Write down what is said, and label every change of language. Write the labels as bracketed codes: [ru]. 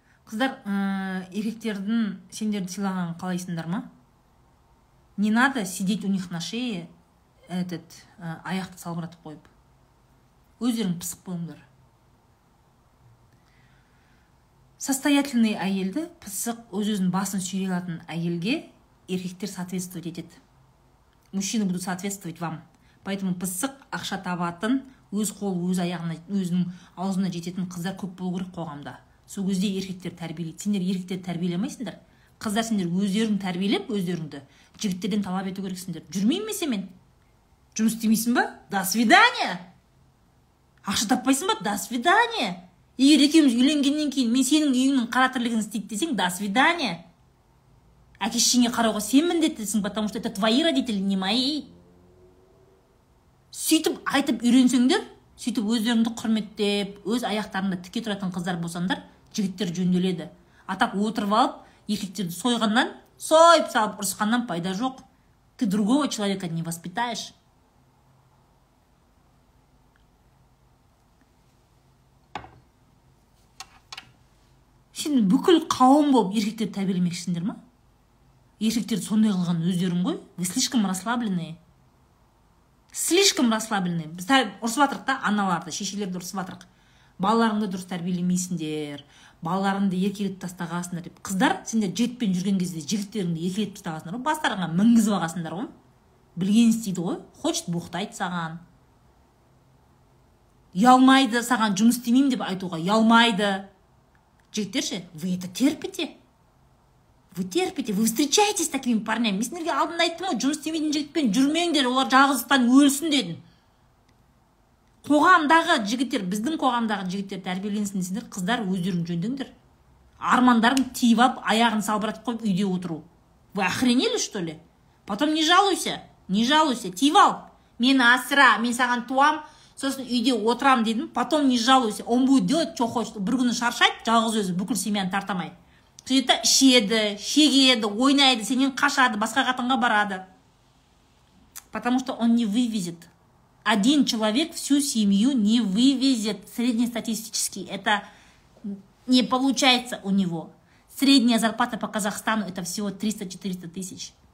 [kk] Қыздар, еркектердің сендерді сыйлағанын қалайсыңдар ма? [ru] Не надо сидеть у них на шее, [kk] аяқты салбыратып қойып. Өздерің пысық болыңдар. Состоятельный әйелді, пысық, өз-өзін басын сүйрей алатын әйелге еркектер соответствовать етеді. [ru] Мужчины будут соответствовать вам. Поэтому [kk] пысық, ақша табатын, өз қолы өз аяғына өзінің аузына жететін қыздар көп болу керек қоғамда. Сол кезде еркектер тәрбиелейді. Сендер еркектерді тәрбиелемейсіңдер. Қыздар сендер өздерің тәрбиелеп өздеріңді. Жігіттерден талап ету керексіңдер. Жүрмеймін мен сенімен. Жұмыс істемейсің ба? [ru] До свидания. [kk] Ақша таппайсың ба? До свидания. Егер екеуміз үйленгеннен кейін мен сенің үйіңнің қара тірлігін істейді десең, [ru] до свидания. [kk] Әкешіңе қарауға сен міндеттісің, [ru] потому что это твои родители, не мои. [kk] Сөйтіп айтып үйренсеңдер, сөйтіп өздеріңді құрметтеп, өз аяқтарыңда тіке тұратын қыздар болсаңдар, жігіттер жөнделеді. Атап отырып алып, еркектерді сойғаннан, сойып салып ұрысқаннан пайда жоқ. [ru] Ты другого человека не воспитаешь. [kk] Сен бүкіл қауым болып еркектерді тәрбиелемекшісіңдер ма? Еркектерді сондай қылған өздерің ғой. [ru] Вы слишком расслабленные. Слишком расслабленные. [kk] Біз ұрысып жатырық та, аналарды, шешелерді ұрысып жатырық. Балаларыңды дұрыс тәрбиелемейсіңдер. Балаларыңды еркелетіп тастағансыңдар деп. Қыздар, сендер жетпен жүрген кезде жігіттеріңді еркелетіп тастағансыңдар ғой. Бастарыңа мінгізіп алғансыңдар ғой. Білгенін істейді ғой. Хочет боқтайды саған. Ұялмайды саған жұмыс істемеймін деп айтуға. Ұялмайды. Жігіттер ше, [ru] вы это терпите. Вы терпите, вы встречаетесь с такими парнями. [kk] Мен сендерге алдында айттым ғой, жұмыс істемейтін жігітпен жүрмеңдер, олар жалғыздықтан өлсін дедім. Қоғамдағы жігіттер, біздің қоғамдағы жігіттер тәрбиеленсін десеңдер, қыздар өздерің жөндеңдер. Армандарын тиіп алып, аяғын салбыратып қойып үйде отыру. [ru] Вы охренели, что ли? Потом не жалуйся, не жалуйся, [kk] тиіп ал. Мен асыра, мен саған туам, сосын үйде отырам дедім. [ru] Потом не жалуйся, он будет делать, что хочет. [kk] Бір күні шаршайды, жалғыз өзі, бүкіл семьяны тартамай. Сөйтті ішеді, шегеді, ойнайды, сенен қашады, басқа қатынға барады. [ru] Потому что он не вывезет. Один человек всю семью не вывезет. Среднестатистически это не получается у него. Средняя зарплата по Казахстану это всего 300-400 тысяч.